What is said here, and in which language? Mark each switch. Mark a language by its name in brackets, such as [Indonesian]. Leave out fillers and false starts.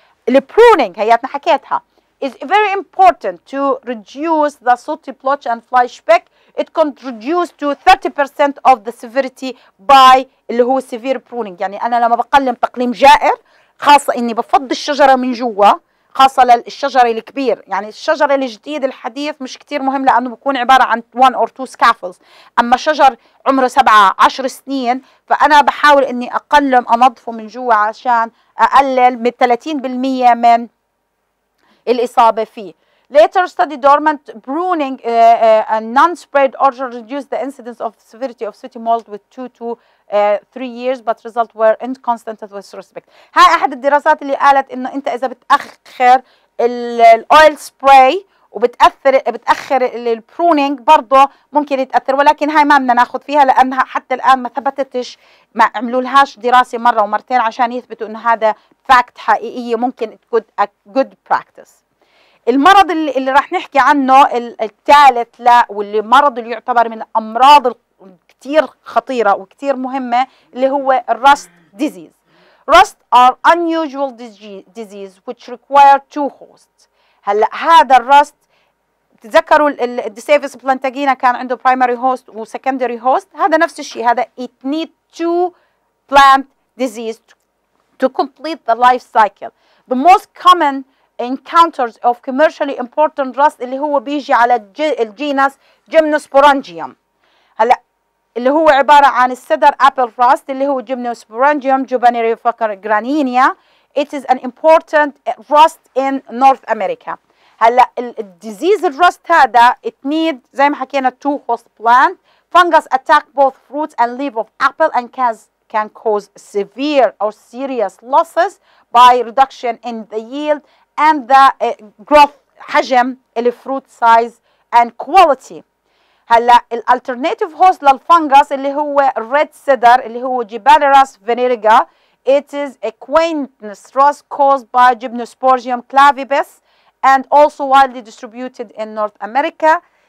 [Arabic] البرونينج هياتنا حكيتها [English] is very important to reduce the sooty blotch and fly speck. It can reduce to 30% of the severity by اللي هو severe pruning. [Arabic] يعني انا لما بقلم تقليم جائر، خاصه اني بفض الشجره من جوا، خاصه للشجره الكبير، يعني الشجره الجديد الحديث مش كثير مهم لانه بيكون عباره عن 1 or 2 scaffolds. اما شجر عمره 7-10 سنين فانا بحاول اني اقلم انظفه من جوا عشان اقلل من 30% من الاصابه فيه. [English] Later study dormant pruning and non-spread order reduced the incidence of severity of sooty mold with 2 to 3 years, but results were inconsistent with respect. [Arabic] هاي أحد الدراسات اللي قالت إنه أنت إذا بتأخر الأويل سبراي وبتأثر بتأخر البرونينج برضه ممكن يتأثر، ولكن هاي ما بدنا ناخذ فيها لأنها حتى الآن ما ثبتتش، ما عملوا لهاش دراسة مرة ومرتين عشان يثبتوا إنه هذا فاكت حقيقية ممكن تكون جود براكتس. المرض اللي راح نحكي عنه الثالث لا، واللي مرض اللي يعتبر من أمراض كتير خطيرة وكتير مهمة، اللي هو الراست ديزيز. [English] Rust are unusual disease which require two hosts. [Arabic] هلا هذا الراست تذكروا الديسيفيس بلانتاجينا كان عنده برايمري هوست وسكندري هوست، هذا نفس الشيء، هذا [English] it need two plant disease to complete the life cycle. The most common encounters of commercially important rust [Arabic] اللي هو بيجي على الجينس جيمنوسبورانجيوم. هلا اللي هو عباره عن السدر ابل راست اللي هو جيمنوسبورانجيوم جوبانيري فاكر جرانينيا. [English] It is an important rust in North America. [Arabic] هلا الديزيز الراست هذا [English] it need [Arabic] زي ما حكينا [English] two host plant. Fungus attack both fruits and leaf of apple and can cause severe or serious losses by reduction in the yield and the growth [Arabic] حجم اللي [English] fruit size and quality. [Arabic] هلا الالترناتيف هوست للفنجس اللي هو ريد سيدر اللي هو جيبانيراس فينيريغا. [English] It is a quaintness rust caused by Gymnosporium clavibus and also widely distributed in North America.